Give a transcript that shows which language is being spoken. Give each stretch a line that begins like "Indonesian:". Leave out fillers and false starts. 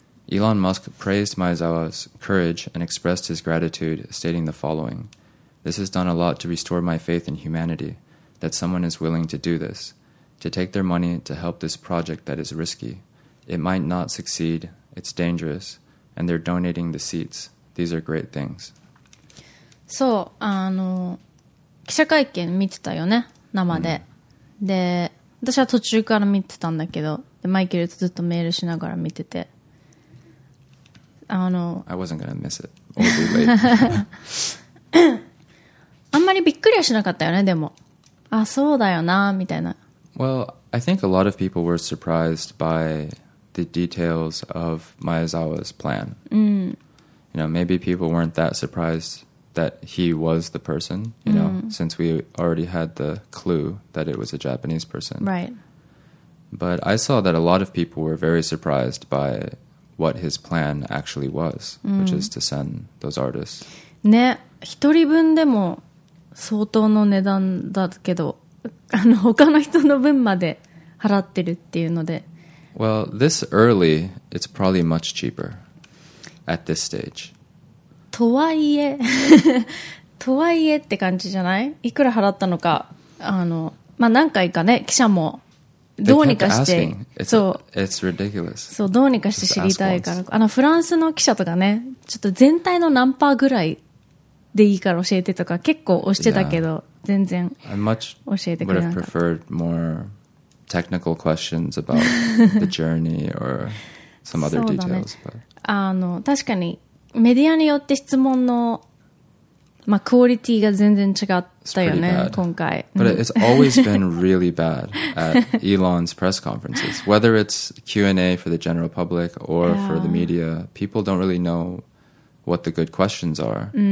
English: Elon Musk praised Maezawa's courage and expressed his gratitude, stating the following: "This has done a lot to restore my faith in humanity, that someone is willing to do this, to take their money to help this project that is risky. It might not succeed, it's dangerous, and they're donating the seats. These are great things.
Japanese: そう、記者会見見てたよね、生で、で私は途中から見てたんだけど、でマイケルとずっとメールしながら見てて、
English: I wasn't gonna miss it. I'll
Japanese: あんまりびっくりはしなかったよね、でも、あそうだよなみたいな。
English: Well, I think a lot of people were surprised by the details of Maezawa's plan. You know, maybe people weren't that surprised that he was the person, you know, since we already had the clue that it was a Japanese person. Right. But I saw that a lot of people were very surprised by what his plan actually was, which is to send those artists.
Japanese: ね、一人分でも相当の値段だけど、他の人の分まで払ってるっていうので。
English: Well, this early, it's probably much cheaper. At this stage.
Japanese: とはいえとはいえって感じじゃない？いくら払ったのか、まあ何回かね、記者もどうにかして、そう、
English: It's ridiculous.
Japanese: そう、どうにかして知りたいから、フランスの記者とかね、ちょっと全体の何パーぐらいでいいから教えてとか、結構押してたけど、全然教えてくれなかった。
English: I much would have preferred more technical questions about the journey or some other details, but...
Japanese: 確かにメディアによって質問の、まあ、クオリティが全然違ったよね、今回。
English: But it's always been really bad at Elon's press conferences. Whether it's Q&A for the general public or for the media, people don't really know what the good questions are.